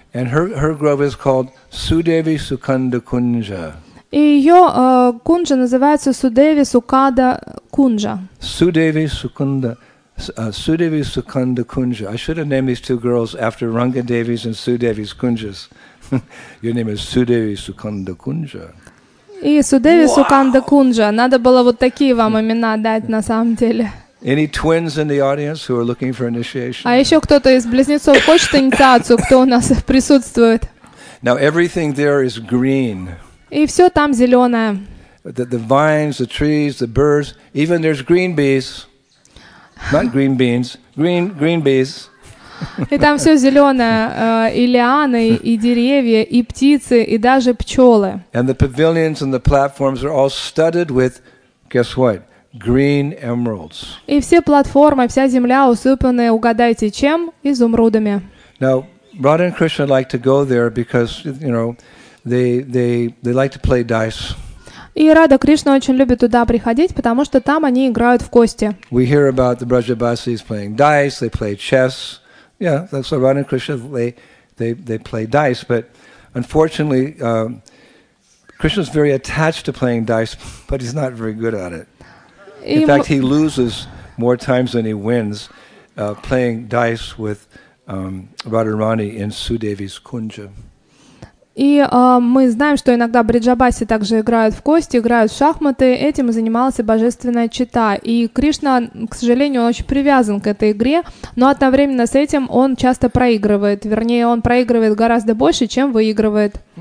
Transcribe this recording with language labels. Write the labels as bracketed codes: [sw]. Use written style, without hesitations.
[en] And her grove is called Sudevi Sukanda Kunja. [ru] И ее кунжа называется Судеви Сукада Кунжа. [en] Sudevi Sukanda Sudevi Sukunda Kunja. I should have named these two girls after Ranga Devi's and Sudevi's Kunjas. Your name is Sudevi Sukunda Kunja. [ru] И Судеви Суканда Кунджа. Надо было вот такие вам имена дать на самом деле. [en] Any twins in the audience who are looking for initiation? [ru] А еще кто-то из близнецов хочет инициацию? Кто у нас присутствует? [en] Now everything there is green. [ru] И все там зеленое. [en] The vines, the trees, the birds, even there's green bees. Not green beans, green bees. [ru] И там все зеленое, и лианы, и деревья, и птицы, и даже пчелы. [en] And the pavilions and the platforms are all studded with, guess what, green emeralds. [ru] И все платформы, вся земля усыпаны, угадайте, чем? Изумрудами. [en] Now, Radha and Krishna like to go there because, you know, they like to play dice. [ru] И Рада Кришна очень любит туда приходить, потому что там они играют в кости. [en] We hear about the Brajabasis playing dice, they play chess. Yeah, that's why Radha and Krishna they play dice, but unfortunately, Krishna's very attached to playing dice, but he's not very good at it. In fact, he loses more times than he wins playing dice with Radharani in Sudevi's Kunja. [ru] И мы знаем, что иногда Бриджабаси также играют в кости, играют в шахматы. Этим и занималась и божественная чита. И Кришна, к сожалению, он очень привязан к этой игре, но одновременно с этим он часто проигрывает. Вернее, он проигрывает гораздо больше, чем выигрывает.